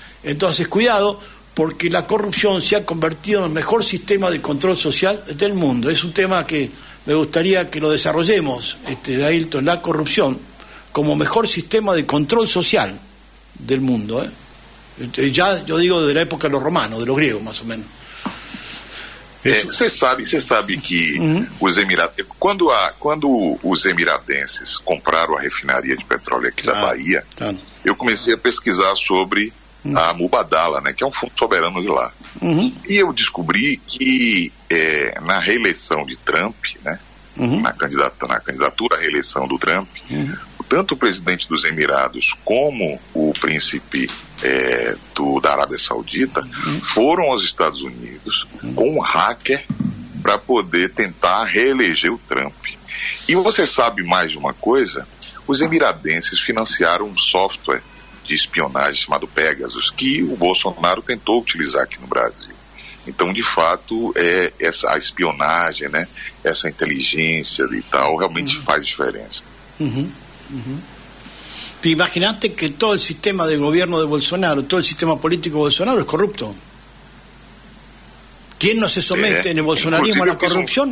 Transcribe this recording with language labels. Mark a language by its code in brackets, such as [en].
[es] Entonces, cuidado, porque la corrupción se ha convertido en el mejor sistema de control social del mundo. Es un tema que me gustaría que lo desarrollemos, Ailton, la corrupción como mejor sistema de control social del mundo, ¿eh? Ya yo digo desde la época de los romanos, de los griegos más o menos. [pt] Você sabe que os emiratenses, quando os emiratenses compraram a refinaria de petróleo aqui da Bahia, eu comecei a pesquisar sobre a Mubadala, né, que é um fundo soberano de lá. E eu descobri que na reeleição de Trump, né, na candidatura à reeleição do Trump, tanto o presidente dos Emirados como o príncipe da Arábia Saudita foram aos Estados Unidos com um hacker para poder tentar reeleger o Trump. E você sabe mais de uma coisa? Os emiradenses financiaram um software de espionagem chamado Pegasus, que o Bolsonaro tentou utilizar aqui no Brasil. Então, de fato, a espionagem, né, essa inteligência e tal, realmente faz diferença. [es] Imaginate que todo el sistema de gobierno de Bolsonaro, todo el sistema político de Bolsonaro es corrupto. ¿Quién no se somete en el bolsonarismo a la corrupción?